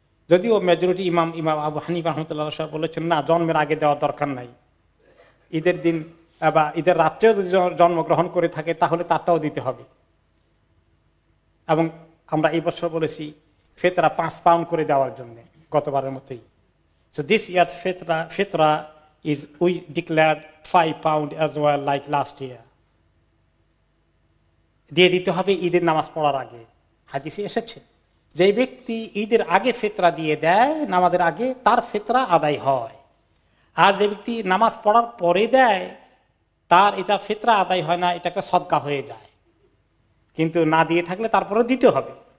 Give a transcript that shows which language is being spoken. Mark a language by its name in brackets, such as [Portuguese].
[Bangla] যদিও মেজরিটি ইমাম, ইমাম আবু হানিফা রহমতুল্লাহ সাহেব বলেছেন, না, জন্মের আগে দেওয়ার দরকার নাই, ঈদের দিন বা ঈদের রাত্রেও যদি জন্মগ্রহণ করে থাকে তাহলে তারটাও দিতে হবে। এবং আমরা এই বছর বলেছি ফেতরা ৫ পাউন্ড করে দেওয়ার জন্য গতবারের মতোই। [English] So this year's fitra is, we declared 5 pound as well like last year. [Bangla] Diye dite hobe ঈদের নামাজ পড়ার আগে, হাদিসে এসেছে যে ব্যক্তি ঈদের আগে ফিতরা দিয়ে দেয় নামাজের আগে, তার ফিতরা আদায় হয়, আর যে ব্যক্তি নামাজ পড়ার পরে দেয় তার এটা ফিতরা আদায় হয় না, এটাকে সদকা হয়ে যায়, কিন্তু না দিয়ে থাকলে তারপরে দিতে হবে।